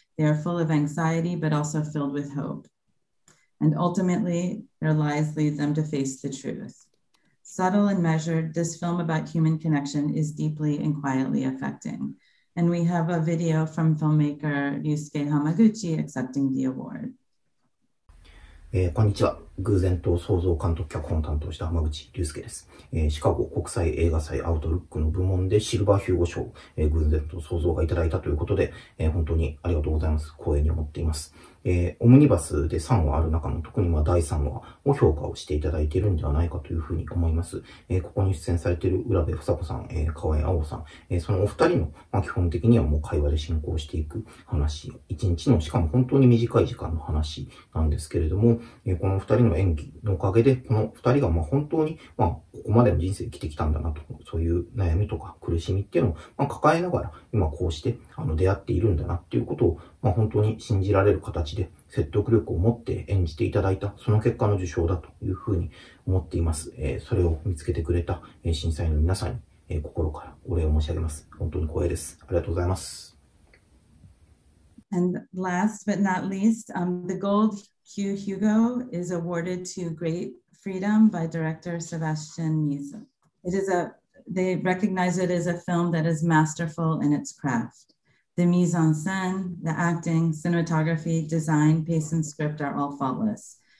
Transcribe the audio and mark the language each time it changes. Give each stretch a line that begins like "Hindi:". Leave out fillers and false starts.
English: They are full of anxiety, but also filled with hope. And ultimately, their lies lead them to face the truth. Subtle and measured, this film about human connection is deeply and quietly affecting. And we have a video from filmmaker Ryusuke Hamaguchi accepting the award.
Japanese: こんにちは。偶然と創造監督脚本を担当した浜口龍介です。シカゴ国際映画祭アウトルックの部門でシルバーヒューゴ賞、偶然と創造がいただいたということで、本当にありがとうございます。光栄に思っています。オムニバスで3話ある中の特にまあ第3話を評価をしていただいているんではないかというふうに思います。ここに出演されている浦部房子さん、河合碧さん、そのお二人の、まあ、基本的にはもう会話で進行していく話、一日のしかも本当に短い時間の話なんですけれども、この二人の演技のおかげで、この二人がまあ本当に、まあ、ここまでの人生来てきたんだなと、そういう悩みとか苦しみっていうのを、まあ、抱えながら今こうして出会っているんだなっていうことを、まあ、本当に信じられる形で説得力を持って演じていただいた、その結果の受賞だというふうに思っています。それを見つけてくれた審査員の皆さんに心からお礼を申し上げます。本当に光栄です。ありがとうございます。
English: And last but not least, the Gold Hugh Hugo is awarded to Great Freedom by director Sebastian Mise. They recognize it as a film that is masterful in its craft. The mise-en-scene, the acting, cinematography, design, pace, and script are all faultless.